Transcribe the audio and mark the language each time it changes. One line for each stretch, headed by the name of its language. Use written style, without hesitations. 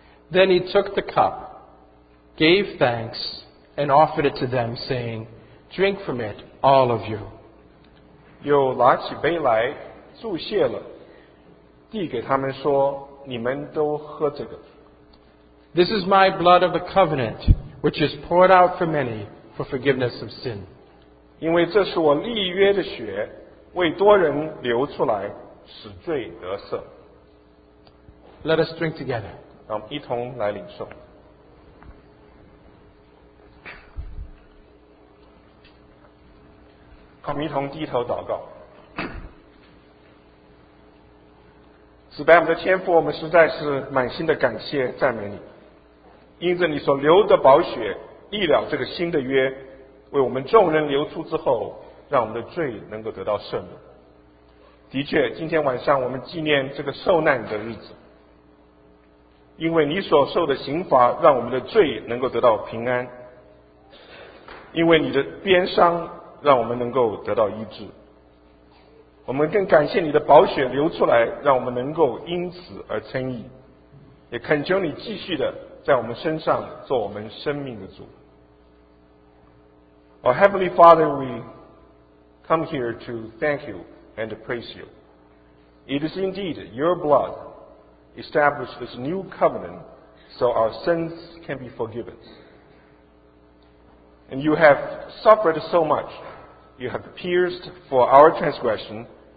English: Then he took the cup, gave thanks, and offered it to them, saying, Drink from it, all of you.
Chinese: 又拿起杯来祝谢了，递给他们说，你们都喝这个。
English: This is my blood of the covenant, which is poured out for many for forgiveness of sin.
Chinese: 因为这是我立约的血，为多人流出来，使罪得赦。
English: Let us drink together.
Chinese: 让我们一同来领受。我们一同低头祷告。主拜我们的天父，我们实在是满心的感谢赞美你，因着你所流的宝血立了这个新的约，为我们众人流出之后，让我们的罪能够得到赦免。的确，今天晚上我们纪念这个受难的日子，因为你所受的刑罚让我们的罪能够得到平安，因为你的鞭伤让我们能够得到医治。我们更感谢你的宝血流出来，让我们能够因此而称义，也恳求你继续的在我们身上做我们生命的主。
English: Our Heavenly Father, we come here to thank you and to praise you. It is indeed your blood established this new covenant so our sins can be forgiven. And you have suffered so much. You have pierced for our transgression.